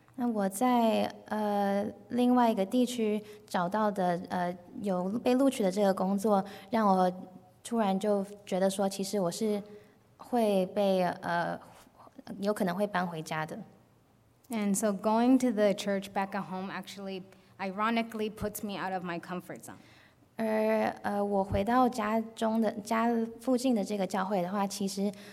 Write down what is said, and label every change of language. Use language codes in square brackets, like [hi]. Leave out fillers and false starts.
[zh] 那我在另外一个地区找到的有被录取的这个工作，让我突然就觉得说，其实我是会被有可能会搬回家的。 [en] And so going to the church back at home actually ironically puts me out of my comfort zone. [zh] 而我回到家附近的这个教会的话，其实